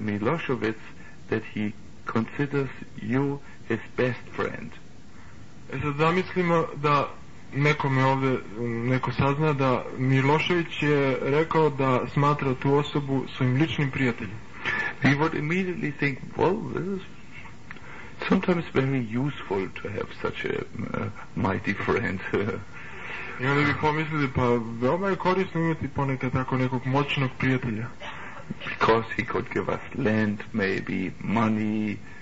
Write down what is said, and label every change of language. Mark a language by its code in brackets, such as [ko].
[en] Milošević that he considers you his best friend. [sr] E sad zamislimo da nekome ovde neko sazna da Milošević je rekao da smatra tu osobu svojim ličnim prijateljem. [en] We would immediately think, well, this is sometimes very useful to have such a mighty friend. [sr] I onda bi pomislili, pa veoma je korisno imati ponekad tako nekog moćnog prijatelja. [en] Because he could give us land, maybe money,